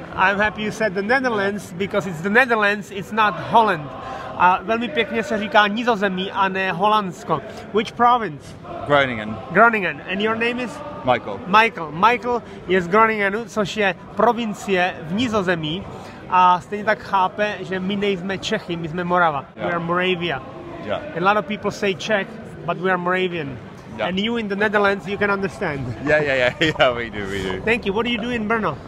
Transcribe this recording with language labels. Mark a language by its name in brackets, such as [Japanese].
[English] I'm happy you said the Netherlands, because it's the Netherlands, it's not Holland. [Czech] A velmi pěkně se říká Nizozemí a ne Holandsko. [English] Which province? Groningen. Groningen. And your name is? Michael. [Czech] Michael. Michael je z Groningenu, což je provincie v Nizozemí. A stejně tak chápe, že my nejsme Čechy, my jsme Morava. [English] Yeah. We are Moravia. Yeah. And a lot of people say Czech, but we are Moravian. Yeah. And you in the Netherlands, you can understand. Yeah, we do. Thank you. What do you do in Brno?